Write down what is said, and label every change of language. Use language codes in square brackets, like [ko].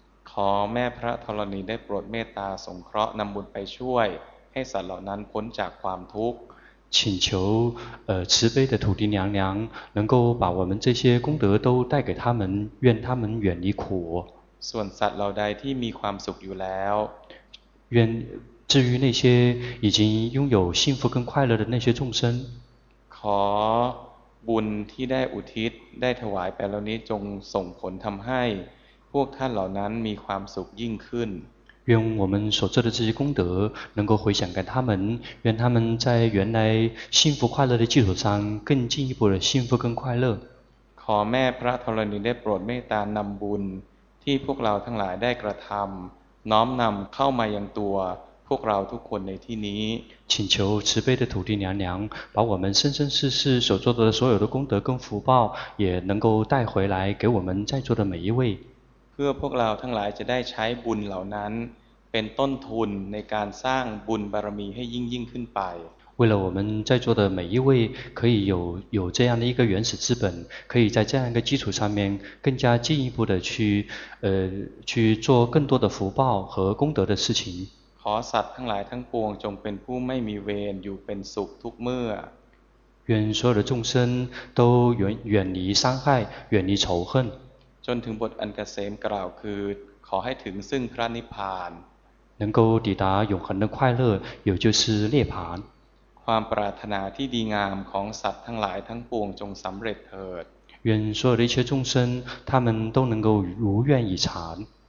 [th] ขอแม่พระธรณีได้โปรดเมตตาสงเคราะห์นำบุญไปช่วยให้สัตว์เหล่านั้นพ้นจากความทุกข์ [zh] 请求慈悲的土地娘娘能够把我们这些功德都带给他们愿他们远离苦 [th] ส่วนสัตว์เหล่าใดที่มีความสุขอยู่แล้ว [zh] 愿至于那些已经拥有幸福跟快乐的那些众生 [th] ขอบุญที่ได้อุทิศได้ถวายไปแล้วนี้จงส่งผลทำให้พวกท่านเหล่านั้นมีความสุขยิ่งขึ้น [zh] 愿我们所做的这些功德能够回响给他们愿他们在原来幸福快乐的基础上更进一步的幸福跟快乐 [th] ขอแม่พระธรณีได้โปรดเมตตานำบุญที่พวกเราทั้งหลายได้กระทำน้อมนำเข้ามายังตัวพวกเราทุกคนในที่นี้ [zh] 请求慈悲的土地娘娘把我们生生世世所做的所有的功德跟福报也能够带回来给我们在座的每一位 [th] เพื่อพวกเราทั้งหลายจะได้ใช้บุญเหล่านั้นเป็นต้นทุนในการสร้างบุญบารมีให้ยิ่งขึ้นไป [zh] 为了我们在座的每一位可以有这样的一个原始资本可以在这样一个基础上面更加进一步的去做更多的福报和功德的事情 [th] ขอสัตว์ทั้งหลายทั้งปวงจงเป็นผู้ไม่มีเวรอยู่เป็นสุขทุกเมื่อ [zh] 愿所有的众生都远离伤害远离仇恨 [th] จนถึงบทอันเกษมกล่าวคือขอให้ถึงซึ่งพระนิพพาน [zh] 能够抵达永恒的快乐也就是涅槃 [th] ความปรารถนาที่ดีงามของสัตว์ทั้งหลายทั้งปวงจงสำเร็จเถิด [zh] 愿所有的一切众生他们都能够如愿以偿